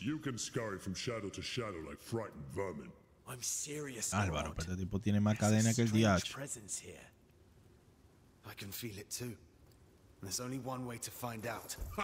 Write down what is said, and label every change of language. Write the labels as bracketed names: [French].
[English] You can scurry from shadow to shadow like frightened vermin. I'm serious. [Spanish] Álvaro, pero este tipo tiene más cadena que el diacho. [English] Presence here. I can feel it too. And there's only one way to find out.